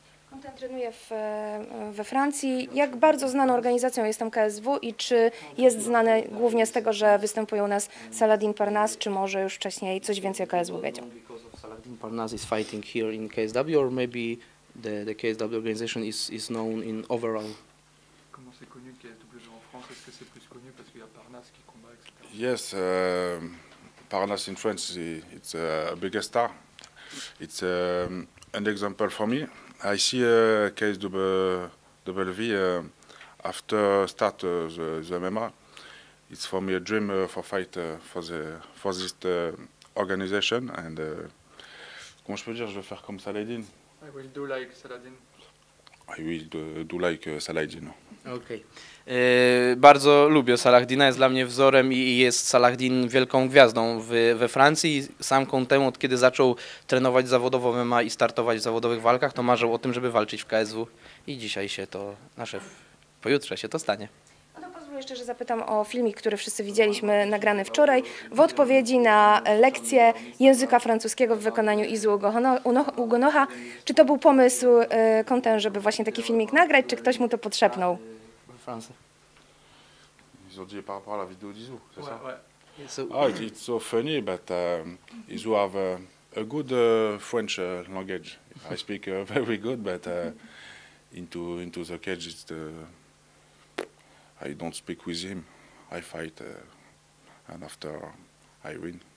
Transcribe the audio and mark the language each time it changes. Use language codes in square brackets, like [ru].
[pl] Conte trenuje we Francji. Jak bardzo znaną organizacją jest tam KSW i czy jest znany głównie z tego, że występuje u nas Saladin Parnasse, czy może już wcześniej coś więcej o KSW wiedział? [en] Saladin Parnasse is fighting here in KSW, or maybe the KSW organization is known in overall. [fr] Comment c'est connu KSW en France? Est-ce que c'est plus connu parce qu'il y a Parnasse qui combat, etc. [en] Yes, Parnasse in France, it's a biggest star. It's an example for me. I see KSW after start the MMA. It's for me a dream for fight for this organization. [fr] And comment je peux dire, je vais faire comme Saladin. [en] I will do like Saladin. I will do like Saladin. [pl] Okej. Bardzo lubię Salahdina, jest dla mnie wzorem i jest Salahdin wielką gwiazdą we Francji. Sam Kontem, od kiedy zaczął trenować zawodowo MMA i startować w zawodowych walkach, to marzył o tym, żeby walczyć w KSW. I dzisiaj się to, nasze, pojutrze się to stanie. Jeszcze, że zapytam o filmik, który wszyscy widzieliśmy, nagrany wczoraj, w odpowiedzi na lekcję języka francuskiego w wykonaniu Izu Ugonocha. Czy to był pomysł Kontem, żeby właśnie taki filmik nagrać, czy ktoś mu to podszepnął? [fr] Ils ont dit par rapport à la vidéo d'Izu, c'est ça? [en] Ah, it's so funny, but Izu have a good French language. I speak very good, but into the cage, it's the... I don't speak with him. I fight, and after I win.